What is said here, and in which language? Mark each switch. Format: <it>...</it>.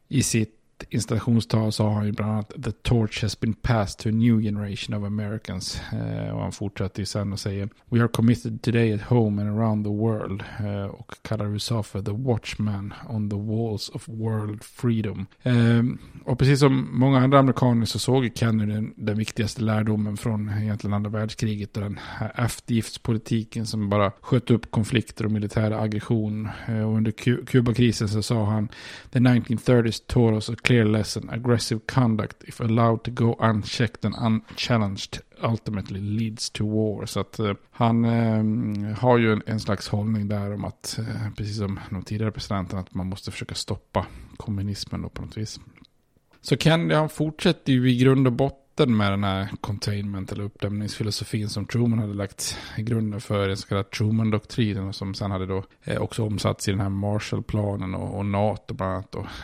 <sv>I sitt installationstal sa han ju bland annat</sv> <en>"The torch has been passed to a new generation of Americans",</en> <sv>och han fortsatte ju sen och säger</sv> <en>"We are committed today at home and around the world",</en> <sv>och kallar USA för</sv> <en>"the watchman on the walls of world freedom".</en> <sv>Och precis som många andra amerikaner så såg Kennedy den viktigaste lärdomen från egentligen andra världskriget, och den här eftergiftspolitiken som bara sköt upp konflikter och militär aggression. Och under Kubakrisen så sa han</sv> <en>"The 1930s taught us clear lesson, aggressive conduct if allowed to go unchecked and unchallenged ultimately leads to war".</en> <sv>Så att han har ju en slags hållning där om att, precis som de tidigare presidenten, att man måste försöka stoppa kommunismen då på något vis. Så Kennedy, han fortsätter ju i grund och botten med den här containment eller uppdämningsfilosofin som Truman hade lagt i grunden för, den så kallade Truman-doktrinen, och som sen hade då också omsatts i den här Marshall-planen och NATO bland annat.</sv>